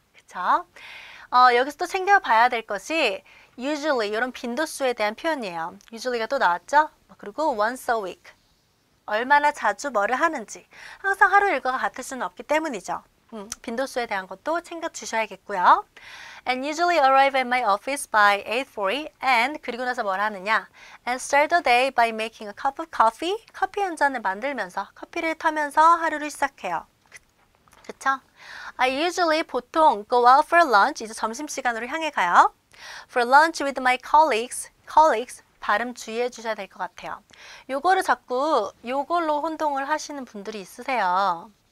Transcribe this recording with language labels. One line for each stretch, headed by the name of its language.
Korean: 그쵸? 여기서 또 챙겨봐야 될 것이 usually 이런 빈도수에 대한 표현이에요. usually가 또 나왔죠? 그리고
English: once a week.
Korean: 얼마나 자주 뭐를 하는지. 항상 하루 일과가 같을 수는 없기 때문이죠. 빈도수에 대한 것도 챙겨 주셔야겠고요.
English: And usually arrive at my office by 8:40 and
Korean: 그리고 나서 뭘 하느냐?
English: And start the day by making a cup of coffee.
Korean: 커피 한 잔을 만들면서 커피를 타면서 하루를 시작해요. 그쵸?
English: I usually
Korean: 보통
English: go out for lunch.
Korean: 이제 점심시간으로 향해 가요.
English: For lunch with my colleagues. Colleagues.
Korean: 발음 주의해 주셔야 될것 같아요. 요거를 자꾸 요걸로 혼동을 하시는 분들이 있으세요.